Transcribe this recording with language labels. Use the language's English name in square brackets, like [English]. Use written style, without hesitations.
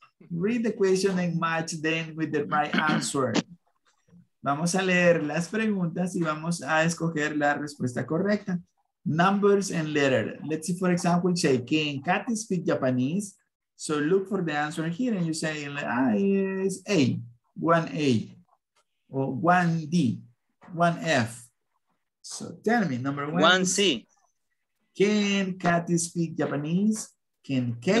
[English] Read the question and match them with the right answer. [Spanish] Vamos a leer las preguntas y vamos a escoger la respuesta correcta. [English] Numbers and letters. Let's see, for example, say, can Kathy speak Japanese? So look for the answer here and you say, it's A, 1A, or 1D, 1F. So tell me, number one. 1C. Can Kathy speak Japanese? Can Katie